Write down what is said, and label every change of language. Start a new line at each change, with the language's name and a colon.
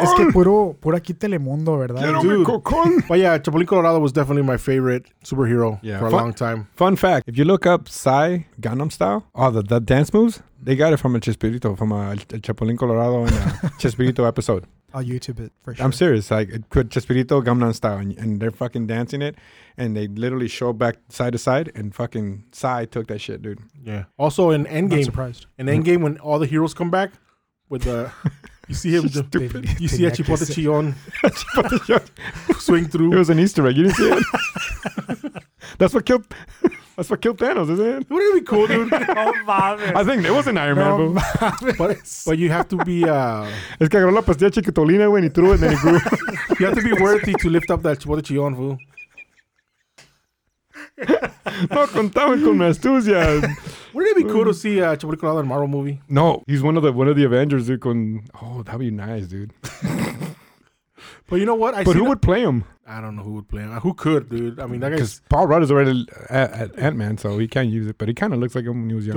Spanish: Es que puro aquí Telemundo, ¿verdad? Quiero dude. Mi cocol!
English: But yeah, Chapulín Colorado was definitely my favorite superhero for a long time. Fun fact, if you look up Psy Gundam Style, all the dance moves, they got it from a Chespirito, from a Chapulín Colorado and a Chespirito episode. I'll YouTube it for sure. I'm serious. Like, it could Chespirito Gundam Style, and they're fucking dancing it, and they literally show back side to side, and fucking Psy took that shit, dude. Yeah. Also, in Endgame. I'm surprised. In Endgame, when all the heroes come back with the. You see him just stupid. You see a Chipote Chillon swing through. It was an Easter egg. You didn't see it? That's what killed Thanos, isn't it? Wouldn't it be cool, dude? I think it was an Iron Man move. But you have to be...
Spanish: Es que agarró la pastilla chiquitolina
English: when he threw it and then he grew. You have to be worthy to lift up that Chipote Chillon, fool.
Spanish: No contaban con mi astucia.
English: Wouldn't it be cool to see Chapulín Colorado in a Marvel movie? No, he's one of the Avengers. Dude, that'd be nice, dude. But you know what? Who would play him? I don't know who would play him. Who could, dude? I mean, that guy's... Because Paul Rudd is already at Ant-Man, so he can't use it. But he kind of looks like him when he was young.